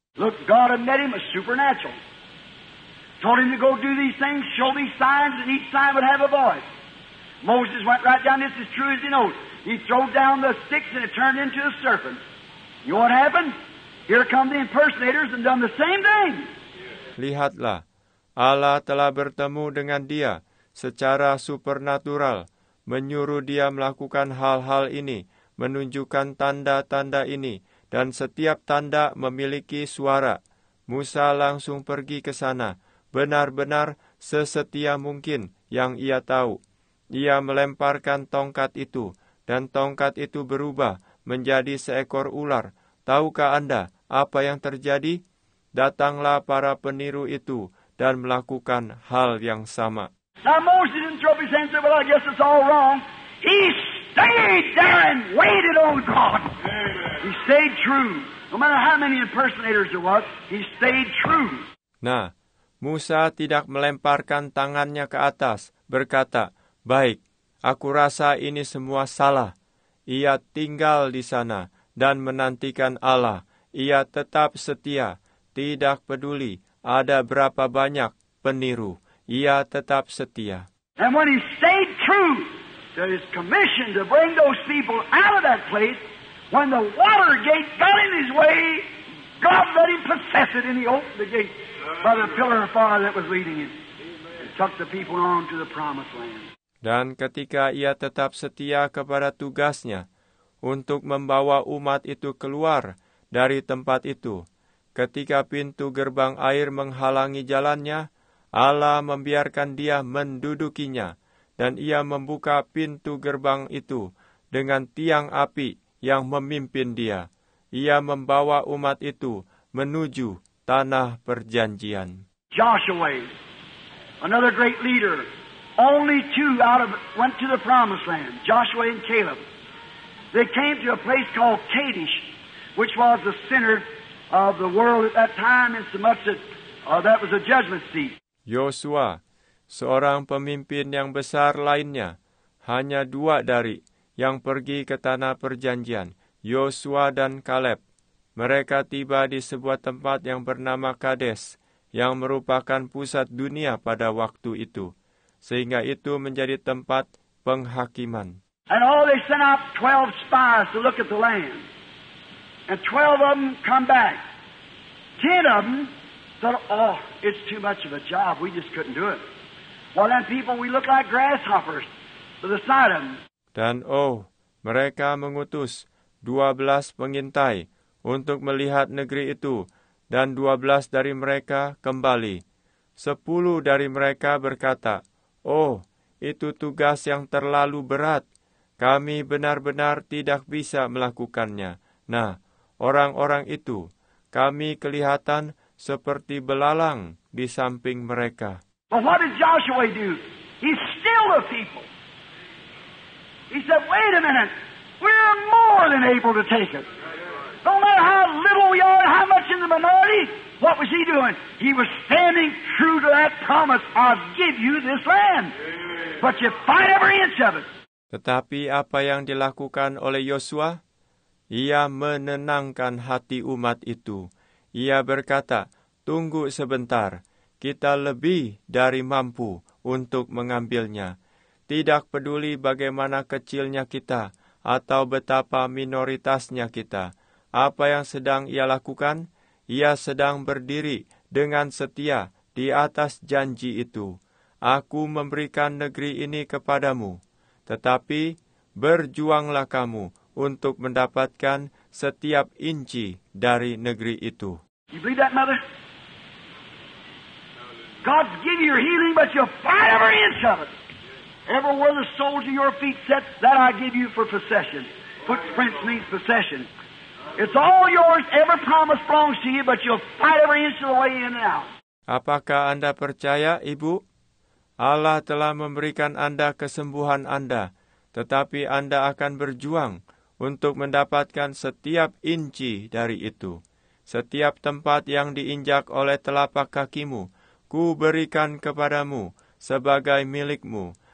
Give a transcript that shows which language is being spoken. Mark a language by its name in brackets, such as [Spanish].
[English] Look, God had met him a supernatural. Told him to go do these things, show these signs, and each sign would have a voice. Moses went right down, this is true as he knows. He threw down the sticks and it turned into a serpent. You know what happened? Here come the impersonators and done the same thing. [Indonesian] Lihatlah, Allah telah bertemu dengan dia secara supernatural, menyuruh dia melakukan hal-hal ini, menunjukkan tanda-tanda ini, dan setiap tanda memiliki suara. Musa langsung pergi ke sana. Benar-benar sesetia mungkin yang ia tahu. Ia melemparkan tongkat itu, dan tongkat itu berubah menjadi seekor ular. Tahukah Anda apa yang terjadi? Datanglah para peniru itu dan melakukan hal yang sama. [English] Now Moses didn't throw his hands up, but I guess it's all wrong. He stayed there and waited on God. He stayed true. No matter how many impersonators there was, he stayed true. [Indonesian] Nah, Musa tidak melemparkan tangannya ke atas, berkata, "Baik, aku rasa ini semua salah." Ia tinggal di sana dan menantikan Allah. Ia tetap setia, tidak peduli ada berapa banyak peniru, ia tetap setia. [English] And when he stayed true to his commission to bring those people out of that place, when the water gate got in his way, God let him possess it, and he opened the gate by the pillar of fire that was leading him. And took the people on to the promised land. [Indonesian] Dan ketika ia tetap setia kepada tugasnya untuk membawa umat itu keluar dari tempat itu, ketika pintu gerbang air menghalangi jalannya, Allah membiarkan dia mendudukinya, dan ia membuka pintu gerbang itu dengan tiang api yang memimpin dia. Ia membawa umat itu menuju tanah perjanjian. [English] Joshua, another great leader, only two out of went to the promised land, Joshua and Caleb. They came to a place called Kadesh, which was the center of the world at that time, and so much that that was a judgment seat. [Indonesian] Yosua, seorang pemimpin yang besar lainnya, hanya dua dari yang pergi ke tanah perjanjian, Yosua dan Caleb. Mereka tiba di sebuah tempat yang bernama Kadesh, yang merupakan pusat dunia pada waktu itu, sehingga itu menjadi tempat penghakiman. [English] And all they sent out 12 spies to look at the land. And 12 of them come back. 10 of them said, oh, it's too much of a job. We just couldn't do it. Well, then people, we look like grasshoppers to the side of them. [Indonesian] Dan oh, mereka mengutus 12 pengintai untuk melihat negeri itu, dan 12 dari mereka kembali. 10 dari mereka berkata, oh, itu tugas yang terlalu berat. Kami benar-benar tidak bisa melakukannya. Nah, orang-orang itu, kami kelihatan seperti belalang di samping mereka. [English] But what did Joshua do? He stilled the people. He said, wait a minute, we're more than able to take it. No matter how little we are, how much in the minority, what was he doing? He was standing true to that promise, I'll give you this land. But you fight every inch of it. [Indonesian] Tetapi apa yang dilakukan oleh Yosua? Ia menenangkan hati umat itu. Ia berkata, tunggu sebentar, kita lebih dari mampu untuk mengambilnya. Tidak peduli bagaimana kecilnya kita atau betapa minoritasnya kita. Apa yang sedang ia lakukan? Ia sedang berdiri dengan setia di atas janji itu. Aku memberikan negeri ini kepadamu. Tetapi, berjuanglah kamu untuk mendapatkan setiap inci dari negeri itu. [English] You believe that, Mother? God's given you your healing, but you'll fight every inch of it. Everywhere the soles of your feet set, that I give you for possession. Footprints means possession. It's all yours, every promise belongs to you, but you'll fight every inch of the way in and out. [Indonesian] Apakah Anda percaya, Ibu? Allah telah memberikan Anda kesembuhan Anda, tetapi Anda akan berjuang untuk mendapatkan setiap inci dari itu. Setiap tempat yang diinjak oleh telapak kakimu, ku berikan kepadamu sebagai milikmu.